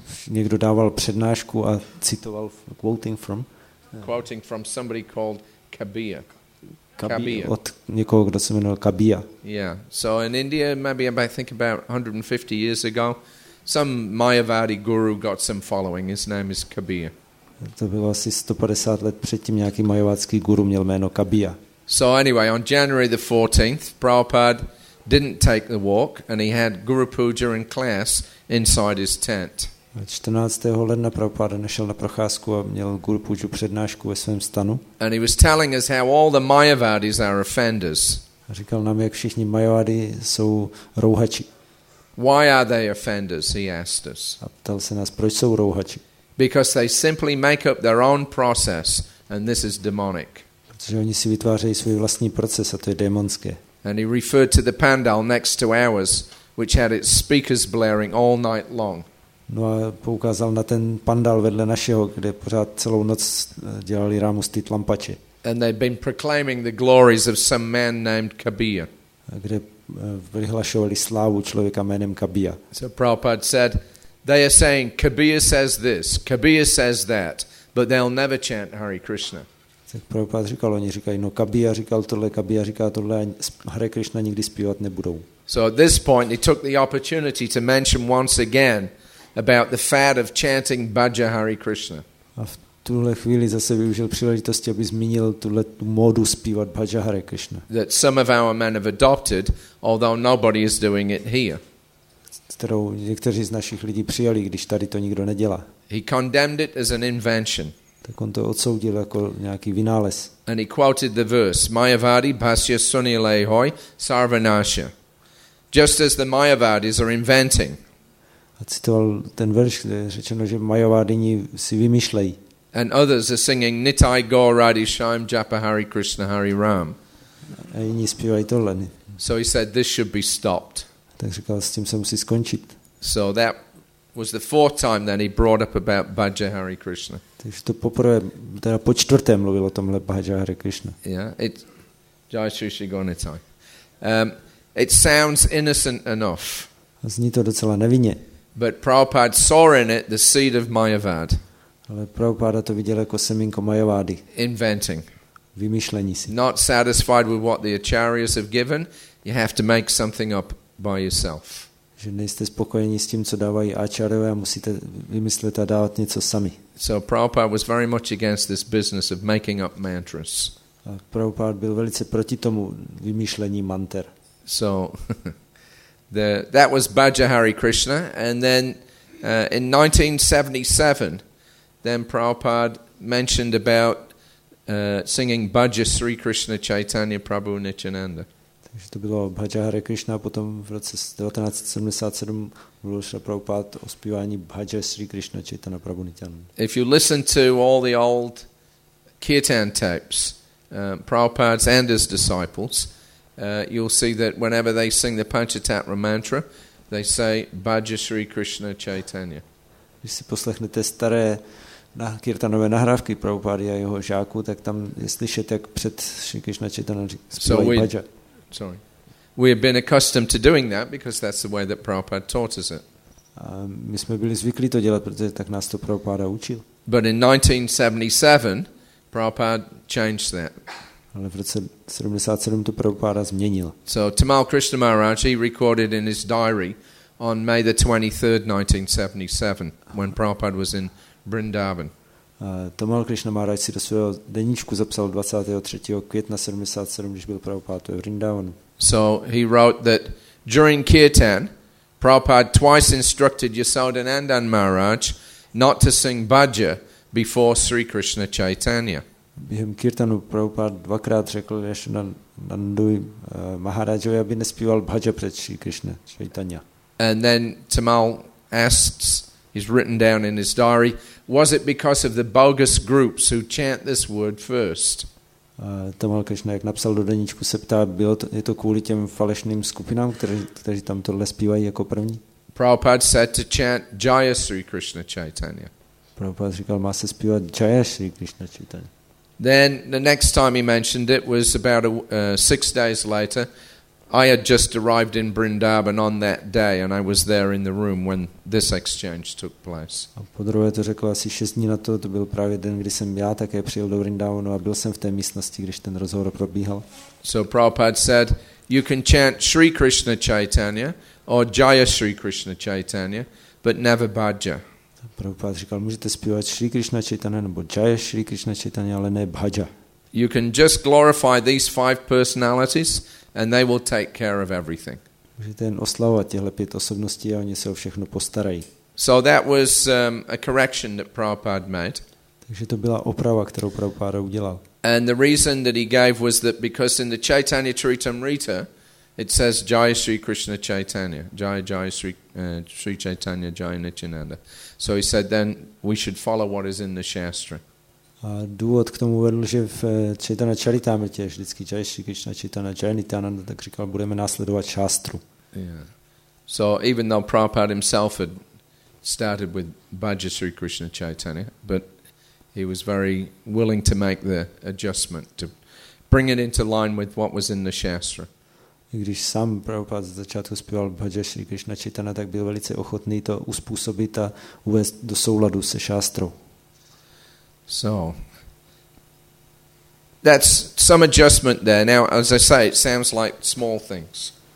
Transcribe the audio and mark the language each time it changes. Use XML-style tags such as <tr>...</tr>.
<cs>Někdo dával přednášku a citoval</cs> <en>quoting from. Quoting from somebody called Kabir. Kabir.</en> <cs>Od někoho, kdo se jmenoval Kabir.</cs> <en>Yeah. So in India, maybe I think about 150 years ago, some Mayavadi guru got some following. His name is Kabir.</en> <cs>To bylo asi 150 let předtím, nějaký mayavadský guru měl jméno Kabir.</cs> <en>So anyway, on January the 14th, Prabhupada didn't take the walk and he had Guru Puja in class inside his tent.</en> <cs>14. ledna Prabhupada nešel na procházku a měl Guru Puju přednášku ve svém stanu.</cs> <en>And he was telling us how all the Mayavadis are offenders.</en> <cs>A říkal nám, jak všichni Mayavadi jsou rouhači.</cs> <en>Why are they offenders, he asked us.</en> <cs>A ptal se nás, proč jsou rouhači.</cs> <en>Because they simply make up their own process and this is demonic.</en> <cs>Protože oni si vytvářejí svůj vlastní proces a to je démonské.</cs> <en>And he referred to the pandal next to ours, which had its speakers blaring all night long.</en> <cs>No a poukázal na ten pandal vedle našeho, kde pořád celou noc dělali rámu z té tlampače.</cs> <en>And they'd been proclaiming the glories of some man named Kabir.</en> <cs>Kde vyhlašovali slávu člověka jménem Kabir.</cs> <en>So Prabhupada said, they are saying Kabir says this, Kabir says that, but they'll never chant Hare Krishna.</en> <cs>Tak Prabhupada říkal, oni říkají, no Kabir říkal tohle, Kabir říká tohle, a Hare Krishna nikdy zpívat nebudou.</cs> <en>So at this point he took the opportunity to mention once again about the fad of chanting Bhaja Hare Krishna.</en> <cs>A v tuhle chvíli zase využil příležitosti, aby zmínil tuhle tu módu zpívat Bhaja Hare Krishna.</cs> <en>That some of our men have adopted, although nobody is doing it here.</en> <cs>Kterou někteří z našich lidí přijali, když tady to nikdo nedělá.</cs> <en>He condemned it as an invention.</en> <cs>Tak on to odsoudil jako nějaký vynález.</cs> <en>And he quoted the verse</en> <bn>Mayavadi bhasya sunilehoi sarvanasha.</bn> <en>Just as the Mayavadis are inventing.</en> <cs>A citoval ten verš, kde je řečeno, že Mayavadini si vymýšlejí.</cs> <en>And others are singing Nitai Gauradi Shyam Japahari Krishna Hari Ram.</en> <cs>A jiní zpívají tohle.</cs> <en>So he said this should be stopped.</en> <cs>Tak říkal, s tím se musí skončit.</cs> <en>So that was the fourth time that he brought up about Bhaja Hari Krishna.</en> <cs>Takže to poprvé, teda po čtvrté mluvil o tomhle Bhaja Hari Krishna.</cs> <en>Yeah, it's Jai Shri Shri Gaur-Nitai. It sounds innocent enough.</en> <cs>Zní to docela nevinně.</cs> <en>But Prabhupada saw in it the seed of Mayavad.</en> <cs>Ale Prabhupada to viděl jako semínko Mayavády.</cs> <en>Inventing.</en> <cs>Vymýšlení si.</cs> <en>Not satisfied with what the acharyas have given, you have to make something up by yourself.</en> <cs>Že nejste spokojeni s tím, co dávají acharyové, musíte vymyslet a dávat něco sami.</cs> <en>So Prabhupada was very much against this business of making up mantras.</en> <cs>A Prabhupada byl velice proti tomu vymýšlení mantr.</cs> <en>So that was Bhaja Hari Krishna, and then in 1977 then Prabhupada mentioned about singing Bhaja Sri Krishna Chaitanya Prabhu Nityananda.</en> <cs>Takže to bylo Bhaja Hari Krishna, potom v roce 1977 mluvil Prabhupada o zpívání Bhaja Sri Krishna Chaitanya Prabhu Nityananda.</cs> <en>If you listen to all the old kirtan tapes, Prabhupada's and his disciples, you'll see that whenever they sing the Panchatatra mantra, they say Bhaja Sri Krishna Chaitanya.</en> <cs>Když si poslechnete staré kirtanové nahrávky Prabhupády a jeho žáků, tak tam je slyšet, jak před Sri Krishna Chaitanya zpívají Bhaja.</cs> <en>Sorry. We have been accustomed to doing that because that's the way that Prabhupada taught us it.</en> <cs>My jsme byli zvyklí to dělat, protože tak nás to Prabhupáda učil.</cs> <en>But in 1977, Prabhupada changed that.</en> <cs>Ale v roce 77 to Prabhupáda změnil.</cs> <en>So Tamal Krishna Maharaj, he recorded in his diary on May the 23rd, 1977, when Prabhupada was in Vrindavan.</en> <cs>Tamal Krishna Maharaj si do svého deníčku zapsal 23. května 77, když byl Prabhupáda v Vrindavanu.</cs> <en>So he wrote that during Kirtan, Prabhupada twice instructed Yasoda Nandan Maharaj not to sing Bhaja before Sri Krishna Chaitanya.</en> <cs>Během kirtanu Prabhupada dvakrát řekl Yasoda Nandu Maharajovi, aby nespíval Bhaja před Sri Krishna Chaitanya.</cs> <en>And then Tamal asks, he's written down in his diary, was it because of the bogus groups who chant this word first?</en> <cs>Tamal Krishna, jak napsal do deníčku, se ptá, je to kvůli těm falešným skupinám, kteří tam tohle zpívají jako první?</cs> <en>Prabhupada said to chant Jaya Sri Krishna Chaitanya.</en> <cs>Prabhupada říkal, má se zpívat Jaya Sri Krishna Chaitanya.</cs> <en>Then the next time he mentioned it was about 6 days later. I had just arrived in Vrindavan on that day and I was there in the room when this exchange took place.</en> <cs>A podruhé to řekl asi 6 dní na to byl právě den, kdy jsem já také přijel do Vrindavanu a byl jsem v té místnosti, když ten rozhovor probíhal.</cs> <en>So Prabhupada said, you can chant Sri Krishna Chaitanya or Jaya Sri Krishna Chaitanya, but never Bhaja.</en> <cs>Prabhupada říkal, můžete zpívat Sri Krishna Chaitanya nebo Jaya Sri Krishna Chaitanya, ale ne Bhaja.</cs> <en>You can just glorify these 5 personalities and they will take care of everything.</en> <cs>Můžete jen oslavovat těhle 5 osobností a oni se o všechno postarají.</cs> <en>So that was a correction that Prabhupada made.</en> <cs>Takže to byla oprava, kterou Prabhupada udělal.</cs> <en>And the reason that he gave was that because in the Chaitanya Charitamrita it says Jaya Sri Krishna Chaitanya, Jaya Sri Chaitanya, Jaya Nityananda. So he said then we should follow what is in the Shastra.</en> <cs>A důvod k tomu vedl, že v Chaitanya Charitamrita je vždycky Jaya Sri Krishna Chaitanya, Jaya Nityananda, tak říkal, budeme následovat Shastru.</cs> <en>Yeah. So even though Prabhupada himself had started with Bhaja Sri Krishna Chaitanya, but he was very willing to make the adjustment to bring it into line with what was in the Shastra.</en> <cs>I když sám Prabhupada z začátku zpíval Bhaja Sri Krishna Chaitanya, tak byl velice ochotný to uspůsobit a uvést do souladu se Shastrou.</cs> <en>So that's some adjustment there. Now as I say it sounds like small things.</en>